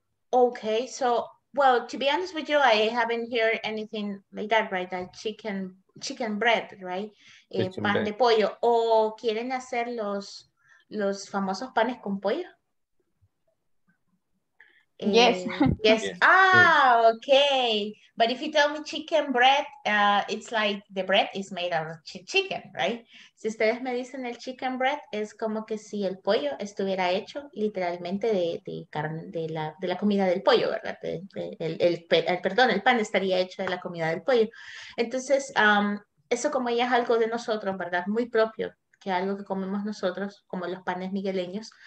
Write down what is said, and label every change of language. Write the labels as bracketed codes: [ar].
[en] Okay, so well, to be honest with you, I haven't heard anything like that, right? That chicken bread, right? [es] Pan de pollo. ¿O quieren hacer los famosos panes con pollo? [en] Yes. Ah, okay. But if you tell me chicken bread, it's like the bread is made out of chicken, right? [es] Si ustedes me dicen el chicken bread, es como que si el pollo estuviera hecho literalmente de carne, de la comida del pollo, ¿verdad? El pan estaría hecho de la comida del pollo. Entonces, eso como ya es algo de nosotros, ¿verdad? Muy propio, que algo que comemos nosotros, como los panes migueleños.